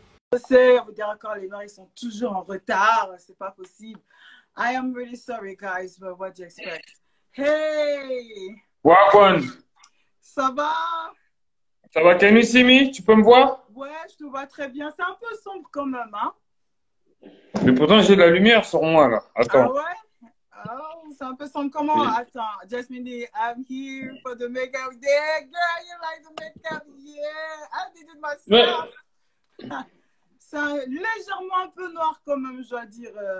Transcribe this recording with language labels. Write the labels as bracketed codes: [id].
[fr] Je sais, on vous dit encore, les gens, ils sont toujours en retard. C'est pas possible. [en] I am really sorry, guys, but what do you expect? Hey! Wapon, [fr] Ça va? ça va, Kemi Simi? Tu peux me voir? Ouais, je te vois très bien. C'est un peu sombre quand même, hein? Mais pourtant j'ai de la lumière sur moi là. Ah Attends. ouais? Oh, c'est un peu sombre comment? Oui. Attends, [en] Jasmine, I'm here for the makeup day. Girl, you like the makeup? Yeah, I did [fr] Mais... [en] it myself. [fr] C'est légèrement un peu noir quand même, je dois dire.